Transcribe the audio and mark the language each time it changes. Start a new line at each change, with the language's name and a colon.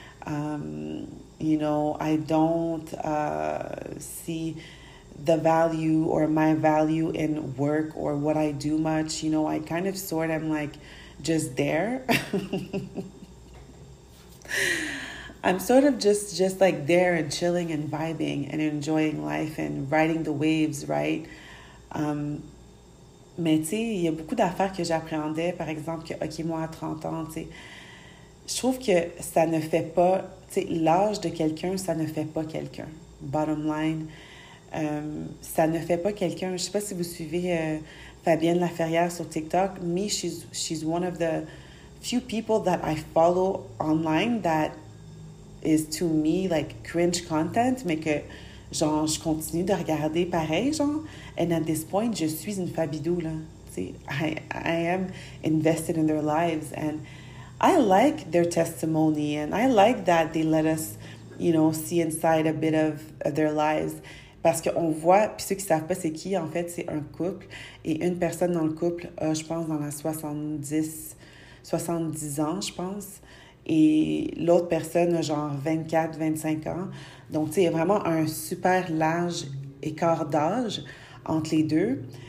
English: You know, I don't see the value or my value in work or what I do much. You know, I kind of sort of like just there. I'm sort of just like there and chilling and vibing and enjoying life and riding the waves, right?
French: Mais tu sais, il y a beaucoup d'affaires que j'appréhendais, par exemple, que, OK, moi, à 30 ans, tu sais, je trouve que ça ne fait pas, tu sais, l'âge de quelqu'un, ça ne fait pas quelqu'un,
English: bottom line.
French: Ça ne fait pas quelqu'un. Je sais pas si vous suivez Fabienne Laferrière sur TikTok.
English: Me, she's one of the few people that I follow online that is to me like cringe content,
French: mais que genre je continue de regarder pareil, genre.
English: And at this point,
French: je suis une Fabidou là. T'sais,
English: I am invested in their lives and I like their testimony and I like that they let us, you know, see inside a bit of their lives.
French: Parce qu'on voit, puis ceux qui savent pas c'est qui, en fait, c'est un couple. Et une personne dans le couple a, je pense, dans la 70 ans, je pense. Et l'autre personne a genre 24, 25 ans. Donc, tu sais, il y a vraiment un super large écart d'âge entre les deux.